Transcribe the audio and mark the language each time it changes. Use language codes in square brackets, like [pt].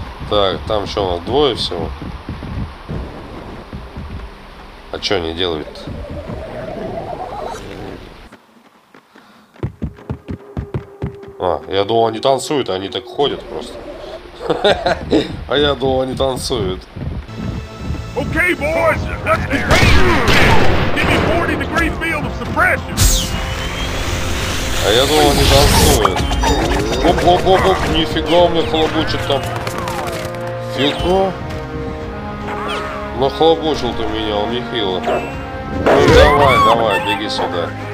[ru] Так, там что у нас, двое всего? А что они делают? А, я думал, они танцуют, а они так ходят просто. А я думал, они танцуют. [en] Окей, boys, let's get crazy. Give me 40 degree field of suppression. [ru] А я думал, они танцуют. Оп-оп-оп-оп, нифига у меня хлобучит там. Фигу. Нахлобучил ты меня, он нехило. Ну, давай, давай, беги сюда.